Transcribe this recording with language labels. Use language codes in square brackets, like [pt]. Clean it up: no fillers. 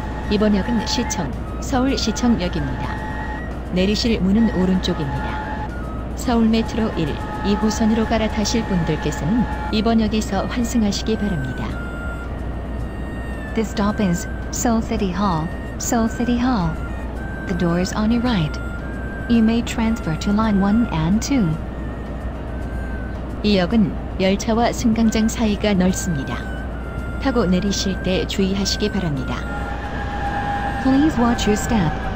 [ko] 이번 역은 시청, 서울시청역입니다. 내리실 문은 오른쪽입니다. 서울메트로 1, 2호선으로 갈아타실 분들께서는 이번 역에서 환승하시기 바랍니다. [en] The stop is Seoul City Hall, Seoul City Hall. The doors on your right. You may transfer to line 1 and 2. [ko] 이 역은 열차와 승강장 사이가 넓습니다. 타고 내리실 때 주의하시기 바랍니다. [en] Please watch your step.